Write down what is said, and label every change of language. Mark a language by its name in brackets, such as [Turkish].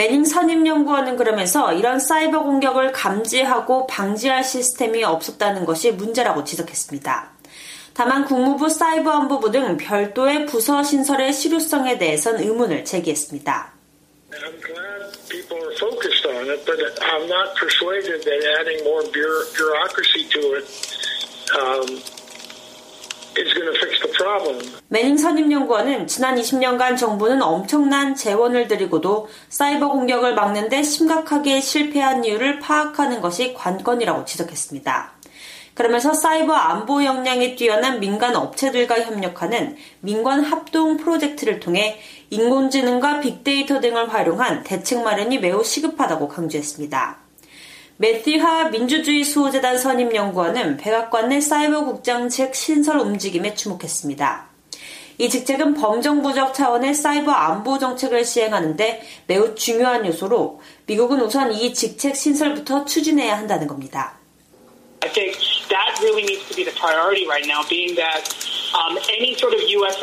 [Korean] 매닝 선임연구원은 그러면서 이런 사이버 공격을 감지하고 방지할 시스템이 없었다는 것이 문제라고 지적했습니다. 다만 국무부 사이버안보부 등 별도의 부서 신설의 실효성에 대해선 의문을 제기했습니다. [English] I'm glad people are focused on it, but I'm not persuaded that adding more bureaucracy to it is going to fix the problem. [Korean] 매닝 선임연구원은 지난 20년간 정부는 엄청난 재원을 들이고도 사이버 공격을 막는 데 심각하게 실패한 이유를 파악하는 것이 관건이라고 지적했습니다. 그러면서 사이버 안보 역량이 뛰어난 민간 업체들과 협력하는 민관 합동 프로젝트를 통해 인공지능과 빅데이터 등을 활용한 대책 마련이 매우 시급하다고 강조했습니다. 매티하 민주주의 수호재단 선임연구원은 백악관 내 사이버 국장직 신설 움직임에 주목했습니다. 이 직책은 범정부적 차원의 사이버 안보 정책을 시행하는 데 매우 중요한 요소로 미국은 우선 이 직책 신설부터 추진해야 한다는 겁니다. [English] I think that really needs to be the priority right now, being that any sort of U.S.